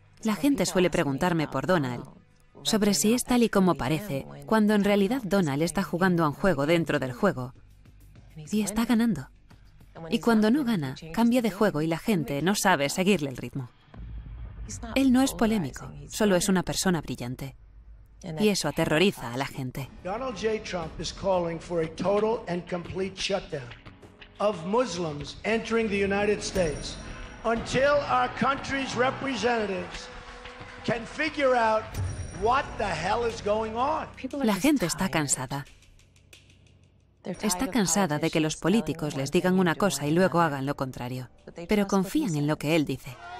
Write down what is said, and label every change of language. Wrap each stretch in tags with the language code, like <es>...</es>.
<es>La gente suele preguntarme por Donald, sobre si es tal y como parece, cuando en realidad Donald está jugando a un juego dentro del juego y está ganando. Y cuando no gana, cambia de juego y la gente no sabe seguirle el ritmo. Él no es polémico, solo es una persona brillante. Y eso aterroriza a la gente.</es> <en>Donald J. Trump is calling for a total and complete shutdown of Muslims entering the United States until our country's representatives can figure out What the hell is going on?</en> <es>La gente está cansada. Está cansada de que los políticos les digan una cosa y luego hagan lo contrario. Pero confían en lo que él dice.</es>